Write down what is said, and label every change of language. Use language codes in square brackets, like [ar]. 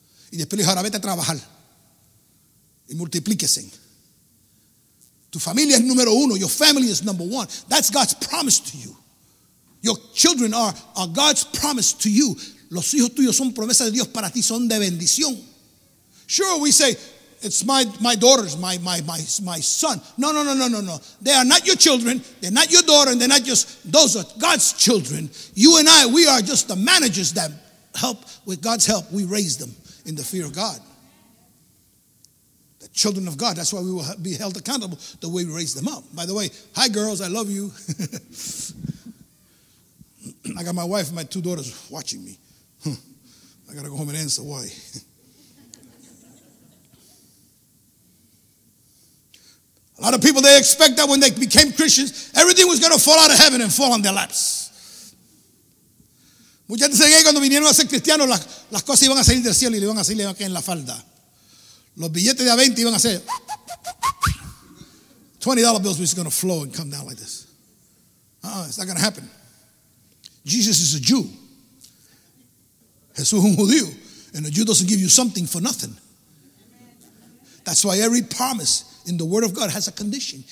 [es] Y después le dijo, ahora vete a trabajar. Y multiplíquese. Tu familia es número uno. [en] Your family is number one. That's God's promise to you. Your children are God's promise to you. [es] Los hijos tuyos son promesas de Dios para ti. Son de bendición. [en] Sure, we say, it's my daughters, my son. No. They are not your children. They're not your daughter. And they're not just, those are God's children. You and I, we are just the managers that help, with God's help, we raise them in the fear of God. the children of God. That's why we will be held accountable the way we raise them up. By the way, hi, girls, I love you. I got my wife and my two daughters watching me. I got to go home and answer why. A lot of people, they expect that when they became Christians, everything was going to fall out of heaven and fall on their laps. [es] Muchas dicen que cuando vinieron a ser cristianos, las cosas iban a salir del cielo y le iban a salir en la falda. Los billetes de a 20 iban a ser. [en] $20 bills were just going to flow and come down like this. It's not going to happen. Jesus is a Jew. [es] Jesús es un judío. [en] And a Jew doesn't give you something for nothing. That's why every promise in the word of God has a condition.